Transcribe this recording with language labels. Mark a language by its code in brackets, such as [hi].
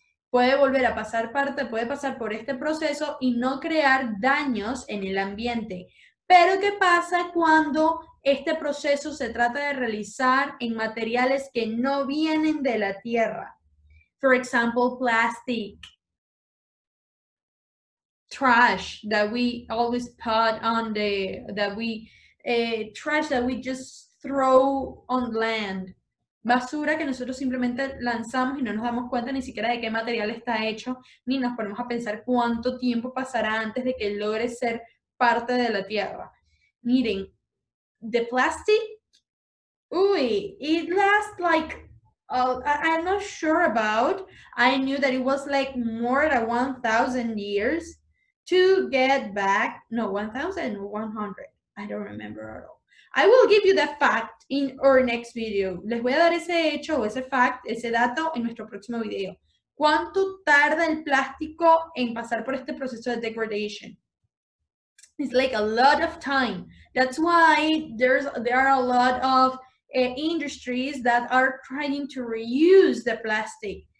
[es] Puede volver a pasar parte, puede pasar por este proceso y no crear daños en el ambiente. Pero ¿qué pasa cuando este proceso se trata de realizar en materiales que no vienen de la tierra? [en] For example, plastic. Trash that we always put on the, that we, trash that we just throw on land. [es] Basura que nosotros simplemente lanzamos y no nos damos cuenta ni siquiera de qué material está hecho, ni nos ponemos a pensar cuánto tiempo pasará antes de que logre ser parte de la tierra. [en] Miren, the plastic, it lasts like, I'm not sure about, I knew that it was like more than 1,000 years to get back, no, 1,100, I don't remember at all. I will give you that fact in our next video. [es] Les voy a dar ese hecho, ese fact, ese dato en nuestro próximo video. ¿Cuánto tarda el plástico en pasar por este proceso de degradation? [en] It's like a lot of time. That's why there are a lot of industries that are trying to reuse the plastic.